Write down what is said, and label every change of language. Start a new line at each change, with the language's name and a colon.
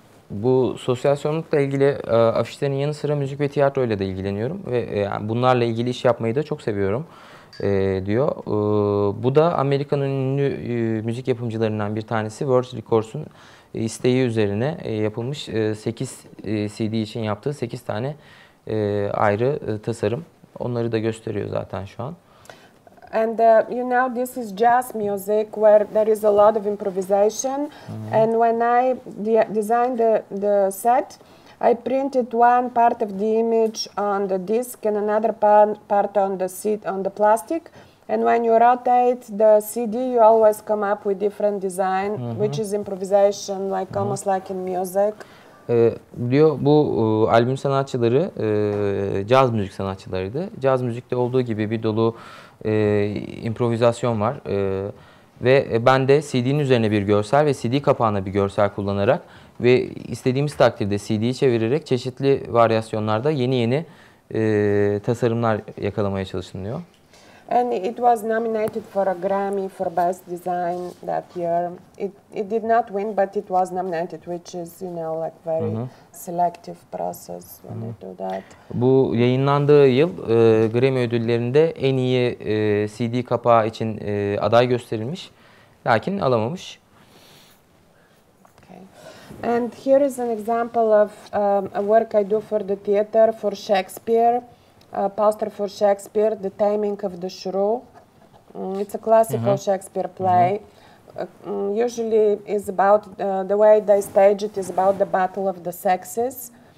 Turkish: Bu sosyal sorumlulukla ilgili afişlerin yanı sıra müzik ve tiyatro ile de ilgileniyorum ve yani bunlarla ilgili iş yapmayı da çok seviyorum diyor. Bu da Amerika'nın ünlü müzik yapımcılarından bir tanesi World Records'un isteği üzerine yapılmış 8 CD için yaptığı 8 tane ayrı tasarım. Onları da gösteriyor zaten şu an.
English: And you know, this is jazz music where there is a lot of improvisation. Mm-hmm. And when I designed the set, I printed one part of the image on the disc and another part on the seat on the plastic. And when you rotate the CD, you always come up with different design, mm-hmm. which is improvisation, like mm-hmm. almost like in music.
Turkish: Diyor bu albüm sanatçıları caz müzik sanatçılarıydı. Caz müzikte olduğu gibi bir dolu improvizasyon var. Ve ben de CD'nin üzerine bir görsel ve CD kapağına bir görsel kullanarak ve istediğimiz takdirde CD'yi çevirerek çeşitli varyasyonlarda yeni tasarımlar yakalamaya çalıştım diyor.
English: And it was nominated for a Grammy for best design that year. It did not win, but it was nominated, which is, you know, like very selective process when you do that.
Turkish: Bu yayınlandığı yıl Grammy ödüllerinde en iyi CD kapağı için aday gösterilmiş, lakin alamamış. Okay.
English: And here is an example of a work I do for the theater for Shakespeare. A poster for Shakespeare, The Taming of the Shrew. It's a classical mm-hmm. Shakespeare play. Mm-hmm. Usually is about the way they stage it is about the battle of the sexes.